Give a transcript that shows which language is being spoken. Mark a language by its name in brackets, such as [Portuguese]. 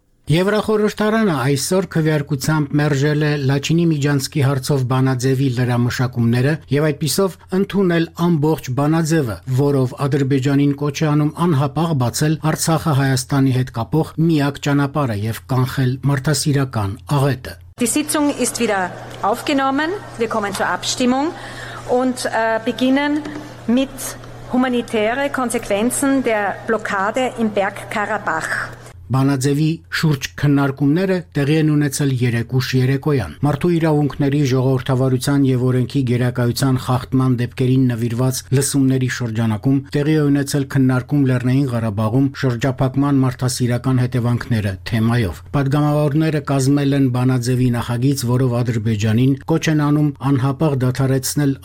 [Armenian] Եվրախորհրդարանը այսօր քվեարկությամբ մերժել է Լաչինի միջանցքի հարցով բանաձևի լրամշակումները և այդպիսով ընդունել ամբողջ բանաձևը, որով Ադրբեջանին կոչ է անում անհապաղ բացել Արցախը Հայաստանի հետ կապող միակ ճանապարհը և կանխել մարդասիրական աղետը։ [German] Die Sitzung ist wieder aufgenommen. Wir kommen zur Abstimmung und beginnen mit humanitären Konsequenzen der Blockade im Berg Karabach. [Armenian] Բանաձևի շուրջ քննարկումները տեղի են ունեցել 2:3-ին։ Մարդու իրավունքների ժողովրդավարության և օրենքի գերակայության խախտման դեպքերին նվիրված լսումների շրջանակում տեղի է ունեցել քննարկում Լեռնային Ղարաբաղում շրջափակման մարդասիրական հետևանքները թեմայով։ Պատգամավորները կազմել են բանաձևի նախագիծ, որով Ադրբեջանին կոչ են անում անհապաղ դադարեցնել